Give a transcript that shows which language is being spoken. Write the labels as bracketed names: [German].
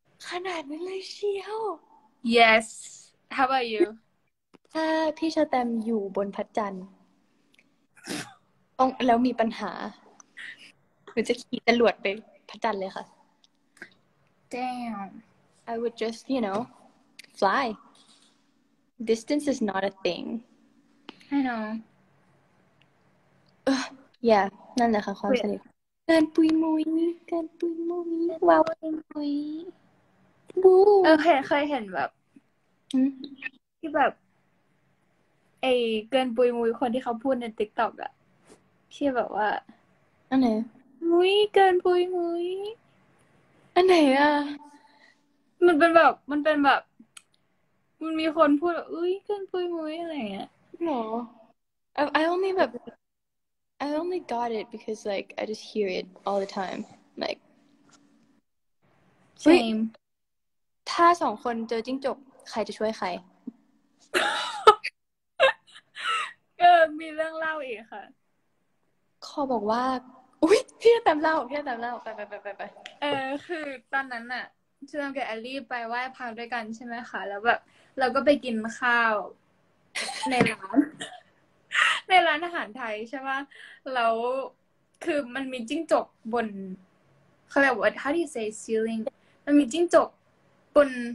[Thai] ขนาดนั้นเลยเชียว [English] Yes How about you [Thai] ถ้าพี่ชแตมอยู่บนพระจันทร์ต้องแล้วมีปัญหาหนูจะขี่จรวดไปพระจันทร์เลยค่ะ [English] Damn I would just you know fly distance is not a thing I know [Thai] yeah นั่นแหละค่ะความสนิทเกินปุยมุยเกินปุยมุยว้าว มุย บู โอเคเคยเห็นแบบที่แบบไอ้เกินปุยมุยคนที่เขาพูดในติ๊กต็อกอะที่แบบว่า อันไหน มุยเกินปุยมุย อันไหนอ่ะ มันเป็นแบบมันเป็นแบบมันมีคนพูดแบบอุ้ยเกินปุยมุยอะไรเงี้ย [English] หรอ I only got it because like I just hear it all the time like same [Thai] ถ้าสองคนเจอจิ้งจกใครจะช่วยใคร ก็มีเรื่องเล่าอีกค่ะ ขอบอกว่าอุ๊ยพี่แต้มเล่าพี่แต้มเล่าไปไปไปไป คือตอนนั้นน่ะชวนกับแอลลี่ไปไหว้พระด้วยกันใช่ไหมคะแล้วแบบเราก็ไปกินข้าวในร้านอาหารไทยใช่ป่ะแล้วคือมันมีจิ้งจกบนเขาเรียกว่า [English] how do you say ceiling [Thai] มันมีจิ้งจกบน